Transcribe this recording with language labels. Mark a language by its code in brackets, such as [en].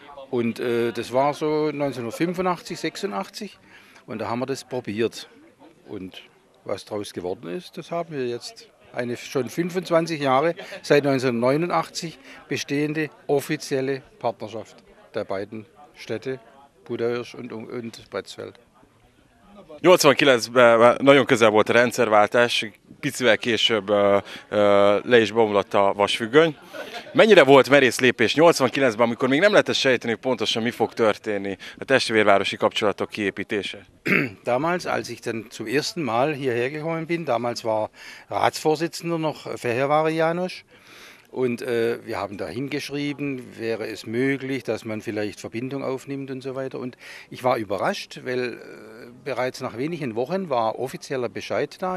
[de] Und das war so 1985, 86 und da haben wir das probiert. Und was daraus geworden ist, das haben wir jetzt eine schon 25 Jahre, seit 1989 bestehende offizielle Partnerschaft der beiden Städte Budaörs und Breczfeld. [hu] 89-ben nagyon közel volt a rendszerváltás, picivel később le is bomlott a vasfüggöny. Mennyire volt merész lépés 89-ben, amikor még nem lehetett sejteni pontosan, mi fog történni a testvérvárosi kapcsolatok kiépítése? [de] Damals, als ich dann zum ersten Mal hierher gekommen bin, damals war Ratsvorsitzender noch Fehérvári János, und wir haben da hingeschrieben, wäre es möglich, dass man vielleicht Verbindung aufnimmt und so weiter. Und ich war überrascht, weil bereits nach wenigen Wochen war offizieller Bescheid da.